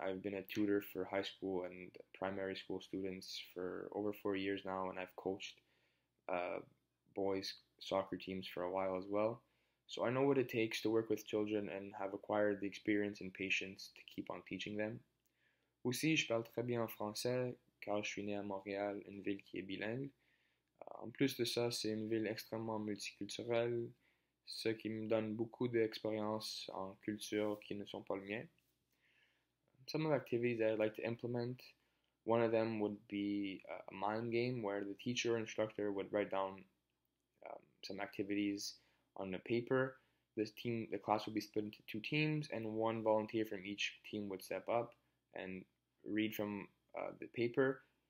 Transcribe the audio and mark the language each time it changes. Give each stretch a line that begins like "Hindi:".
English: I've been a tutor for high school and primary school students for over 4 years now, and I've coached boys' soccer teams for a while as well. So I know what it takes to work with children and have acquired the experience and patience to keep on teaching them.
French: Aussi, je parle très bien français, car je suis né à Montréal, une ville qui est bilingue. En plus de ça, c'est une ville extrêmement multiculturelle, ce qui me donne beaucoup d'expériences en cultures qui ne sont pas le mien.
English: Some of the activities that I'd like to implement, one of them would be a mind game where the teacher or instructor would write down some activities on the paper. The class would be split into two teams, and one volunteer from each team would step up and read from the paper.